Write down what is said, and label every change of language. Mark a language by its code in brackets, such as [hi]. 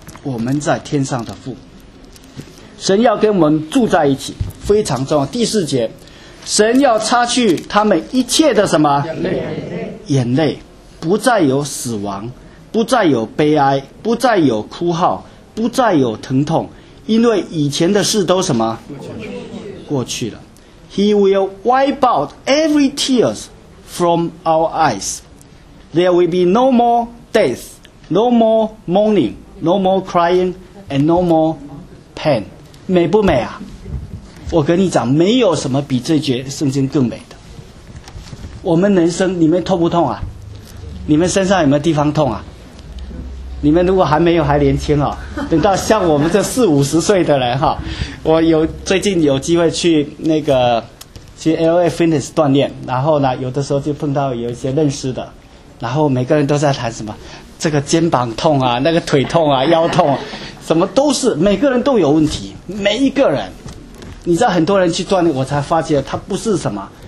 [zh] 我们在天上的父，神要跟我们住在一起，非常重要。第四节，神要擦去他们一切的什么？眼泪。不再有死亡，不再有悲哀，不再有哭号，不再有疼痛，因为以前的事都什么过去了。 [en] He will wipe out every tears from our eyes. There will be no more death, no more mourning, no more crying, and no more pain. [zh] 美不美啊？我跟你讲，没有什么比这节圣经更美的。我们人生，你们痛不痛啊？你们身上有没有地方痛啊？你们如果还没有，还年轻啊，等到像我们这四五十岁的人哈，我有最近有机会去那个去 LA Fitness 锻炼，然后呢有的时候就碰到有一些认识的，然后每个人都在谈什么这个肩膀痛啊，那个腿痛啊，腰痛啊，什么都是，每个人都有问题。每一个人，你知道很多人去锻炼，我才发觉他不是什么